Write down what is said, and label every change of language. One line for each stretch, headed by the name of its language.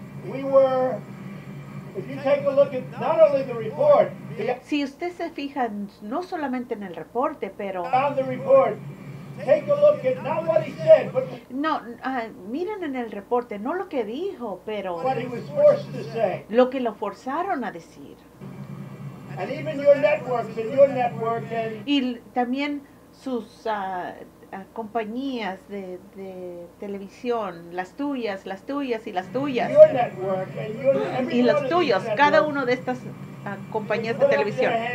English: We were, if you take a look at not only the report,
Spanish: si usted se fija no solamente en el reporte, pero
English: on the report, take a look at not what he said, but
Spanish: no, miren en el reporte no lo que dijo, pero
English: what he was forced to say.
Spanish: Lo que lo forzaron a decir.
English: And even your networks and your network and
Spanish: y también sus compañías de televisión, las tuyas.
English: Your network and your network.
Spanish: Y los tuyos, cada uno de estas compañías de televisión.